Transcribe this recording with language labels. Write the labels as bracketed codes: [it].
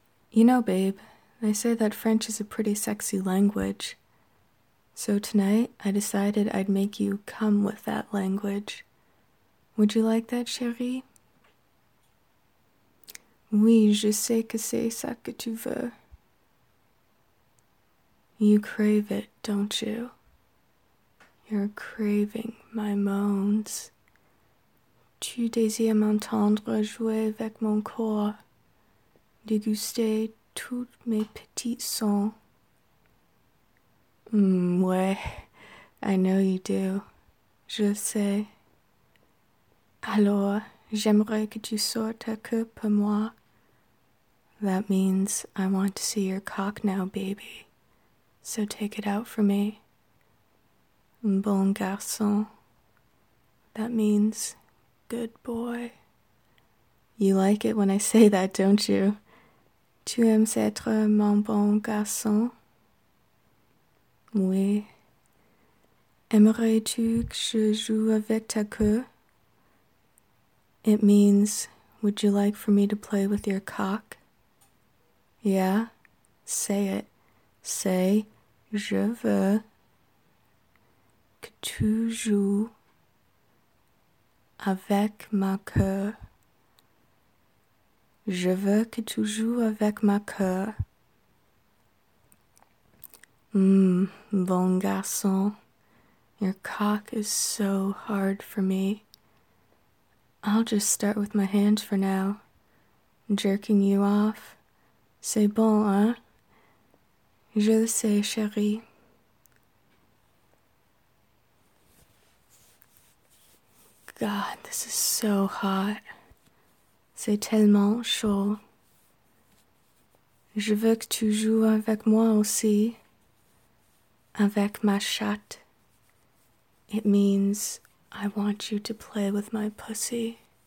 [en] You know, babe, they say that French is a pretty sexy language. So tonight, I decided I'd make you come with that language. Would you like that, chérie? [fr] Oui, je sais que c'est ça que tu veux. [en] You crave it, don't you? You're craving my moans. [fr] Tu désires m'entendre jouer avec mon corps. Déguster tous mes petits sons. Ouais, [en] I know you do. [fr] Je sais. Alors, j'aimerais que tu sortes ta queue pour moi. [en] That means I want to see your cock now, baby. So take it out for me. [fr] Bon garçon. [en] That means good boy. You like it when I say that, don't you? [fr] Tu aimes être mon bon garçon? Oui. Aimerais-tu que je joue avec ta queue? [en] It means, would you like for me to play with your cock? Yeah? Say it. [fr] Say, je veux que tu joues avec ma queue. Je veux que tu joues avec ma queue. Bon garçon. [en] Your cock is so hard for me. I'll just start with my hand for now. Jerking you off. [fr] C'est bon, hein? Je le sais, chérie. [en] God, this is so hot. [fr] C'est tellement chaud. Je veux que tu joues avec moi aussi. Avec ma chatte. [en] It means I want you to play with my pussy.